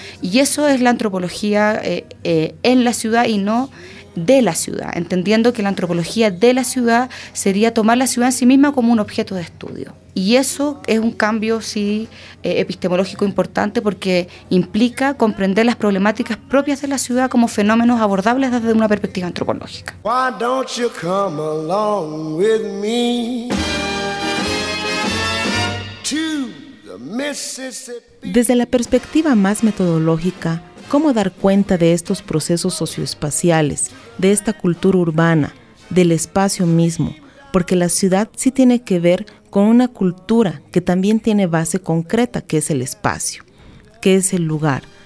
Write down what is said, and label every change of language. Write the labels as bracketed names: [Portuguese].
[Spanish] Y eso es la antropología en la ciudad y no de la ciudad, entendiendo que la antropología de la ciudad sería tomar la ciudad en sí misma como un objeto de estudio. Y eso es un cambio, sí, epistemológico importante, porque implica comprender las problemáticas propias de la ciudad como fenómenos abordables desde una perspectiva antropológica. [English] Why don't you come along with me to the Mississippi? [Spanish] Desde la perspectiva más metodológica, ¿cómo dar cuenta de estos procesos socioespaciales, de esta cultura urbana, del espacio mismo? Porque la ciudad sí tiene que ver con una cultura que también tiene base concreta, que es el espacio, que es el lugar.